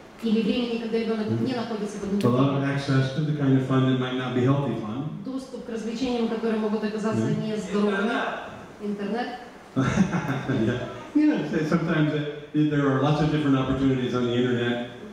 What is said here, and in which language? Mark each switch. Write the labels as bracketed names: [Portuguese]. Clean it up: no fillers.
[Russian] Или времени, когда ребенок не находится под контролем. [English] A lot of access to the kind of fun that might not be healthy fun. [Russian] Доступ к развлечениям, которые могут оказаться нездоровыми. Интернет. [English] Yeah. Sometimes there are lots of different opportunities on the internet.